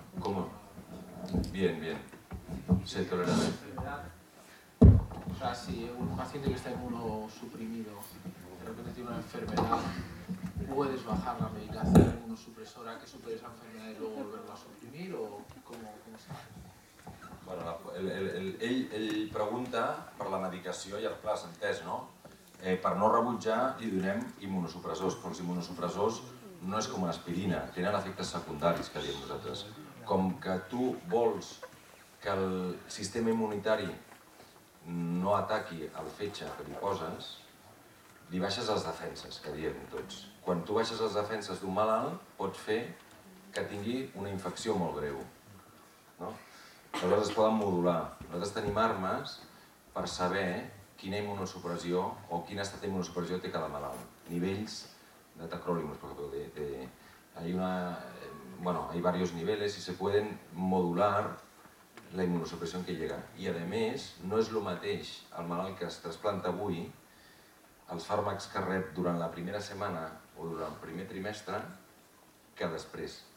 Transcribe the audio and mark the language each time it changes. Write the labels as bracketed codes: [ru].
[es] ¿Cómo? Bien, bien. Se tolera. O sea, si un paciente que está inmunosuprimido de repente tiene una enfermedad, ¿puedes bajar la medicación inmunosupresora que supere esa enfermedad y luego volverla a suprimir? ¿O cómo se hace? [ca] Bueno, ell pregunta per la medicació i el pla s'entès, no? Per no rebutjar li donem immunosupressors, però els immunosupressors no és com una aspirina, tenen efectes secundaris, que diem nosaltres. Com que tu vols que el sistema immunitari no ataqui el fetge que li poses, li baixes les defenses, que diem tots. Quan tu baixes les defenses d'un malalt, pots fer que tingui una infecció molt greu, no? Aleshores es poden modular. Nosaltres tenim armes per saber quina immunosupressió o quin estat d'immunosupressió té cada malalt. Nivells de tacrolimus, per exemple. [es] Hay varios niveles y se pueden modular la immunosupressió que llega. [ca] I, a més, no és el mateix el malalt que es trasplanta avui, els fàrmacs que rep durant la primera setmana o durant el primer trimestre, que després.